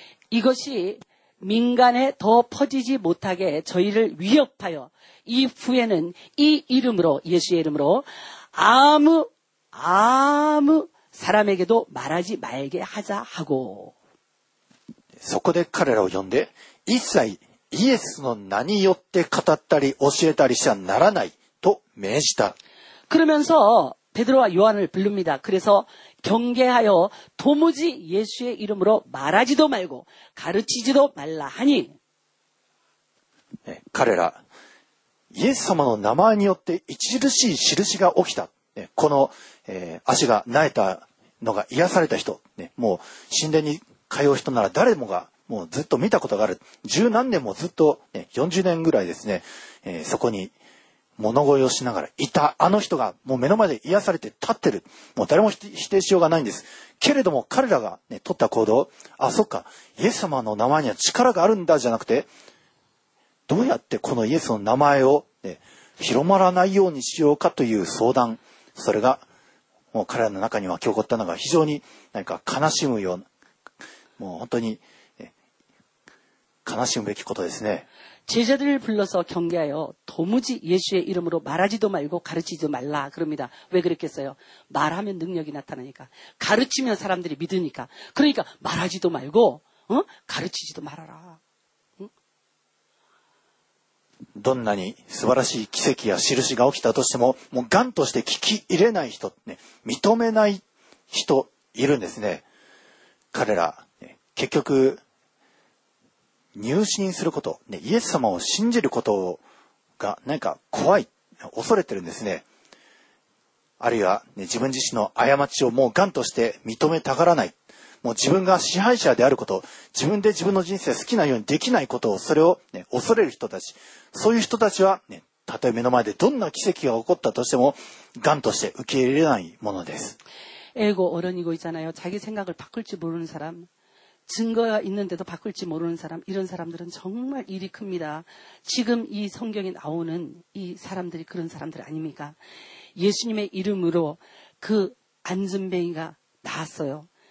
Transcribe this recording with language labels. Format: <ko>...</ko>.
<ko>이것이민간에더퍼지지못하게저희를위협하여이후에는이이름으로예수의이름으로아무사람에게도말하지말게하자하고</ko> <ja>そこで彼らを呼んで一切イエスの名によって語ったり教えたりしちゃならないと命じた</ja> <ko>그러면서 베드로와 요한을 부릅니다. 그래서 경계하여 도무지 예수의 이름으로 말하지도 말고 가르치지도 말라 하니 네,</ko> <ja>彼ら 예수様の名前によって著しい印が起きた。</ja> <ko>네,</ko> <ja>この 足が 苗た のが 癒された 人。</ja> <ko>네,</ko> <ja>もう神殿に通う人なら 誰もが もう ずっと 見たことがある。十何年も ずっと</ja> <ko>네,</ko> <ja>40年 ぐらいですね。え、 そこに 物乞いをしながらいたあの人がもう目の前で癒されて立ってる。もう誰も否定しようがないんです。けれども彼らがね、取った行動、あ、そっか、イエス様の名前には力があるんだじゃなくて、どうやってこのイエス様の名前を、ね、広まらないようにしようかという相談。それが、もう彼らの中には起こったのが非常になんか悲しむような、もう本当に、ね、悲しむべきことですね。</ja> <ko>제자들을 불러서 경계하여 도무지 예수의 이름으로 말하지도 말고 가르치지 말라 그럽니다. 왜 그랬겠어요? 말하면 능력이 나타나니까. 가르치면 사람들이 믿으니까. 그러니까 말하지도 말고 어? 가르치지도 말아라.</ko> <ja>どんなに素晴らしい奇跡や印が起きたとしても、もう頑として聞き入れない人、ね、認めない人いるんですね。彼ら、ね、結局入信することね、イエス様を信じることがなんか怖い、恐れてるんですね。あるいはね、自分自身の過ちをもうガンとして認めたがらない。もう自分が支配者であること、自分で自分の人生好きなようにできないことをそれを、ね、恐れる人たち。そういう人たちはね、たとえ目の前でどんな奇跡が起こったとしても、ガンとして受け入れないものです。</ja> <ko>에고 어른이고 있잖아요. 자기 생각을 바꿀 줄 모르는 사람, 증거가 있는데도 바꿀 줄 모르는 사람, 이런 사람들은 정말 일이 큽니다. 지금 이 성경에 나오는 이 사람들이 그런 사람들 아닙니까? 예수님의 이름으로 그 안전뱅이가 나왔어요.</ko>